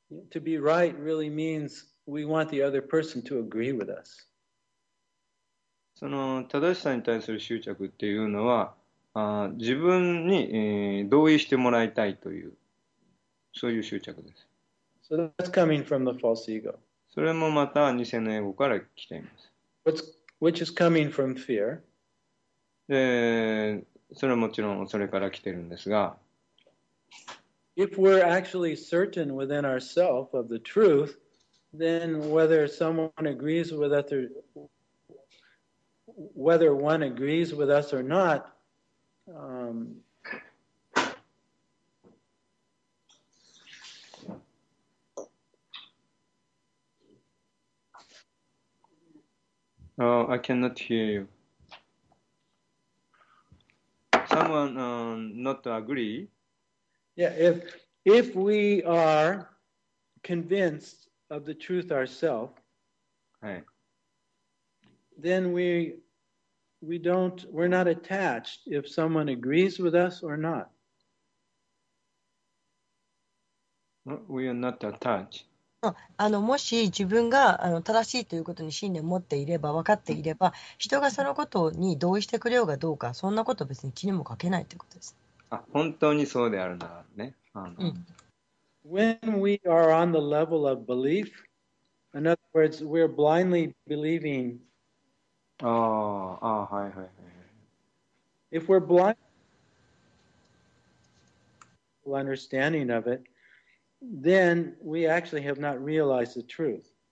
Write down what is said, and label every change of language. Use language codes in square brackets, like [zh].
[en] To be right really means we want the other person to agree with us. [ja] その正しさに対する執着っていうのは、自分に、同意してもらいたいという、そういう執着です。 [en] So that's coming from the false ego. [ja] それもまた偽のエゴから来ています。 [en] Which is coming from fear. [ja] で、それはもちろんそれから来てるんですが、 [en] If we're actually certain within ourselves of the truth, then whether someone agrees with us or whether one agrees with us or not, Oh, I cannot hear you. Someone not agree. Yeah, if we are convinced of the truth ourselves, then we're not attached if someone agrees with us or not. We are not attached. [ja] もし自分が正しいということに信念を持っていれば、分かっていれば、人がそのことに同意してくれようがどうか、そんなこと別に気にもかけないということです。本当にそうであるならね。 [en] When we are on the level of belief, in other words, we're blindly believing. [ja] ああ、はいはいはい。 [en] If we're blind, full understanding of it, then we actually have not realized the truth.